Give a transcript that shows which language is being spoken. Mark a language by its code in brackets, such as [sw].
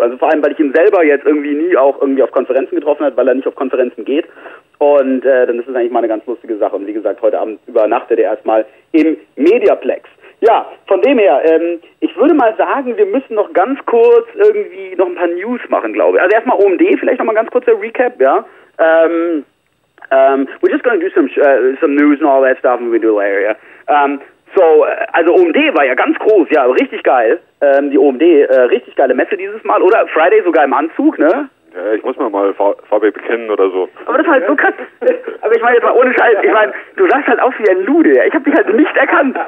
[de] Also vor allem, weil ich ihn selber jetzt irgendwie nie auch irgendwie auf Konferenzen getroffen habe, weil er nicht auf Konferenzen geht. Und dann ist es eigentlich mal eine ganz lustige Sache. Und wie gesagt, heute Abend übernachtet er erstmal im Mediaplex. Ja, von dem her, ich würde mal sagen, wir müssen noch ganz kurz irgendwie noch ein paar News machen, glaube ich. Also erstmal OMD, vielleicht nochmal ganz kurz der Recap, ja. [en] We're just gonna do some news and all that stuff and we do later, yeah. [de] Also OMD war ja ganz groß, ja, richtig geil. Die OMD, richtig geile Messe dieses Mal, oder Friday sogar im Anzug, ne? Ja, ich muss mal Farbe bekennen oder so. Aber das war halt so krass. Aber ich meine jetzt mal ohne Scheiß, ich meine, du sahst halt aus wie ein Lude. Ich hab dich halt nicht erkannt.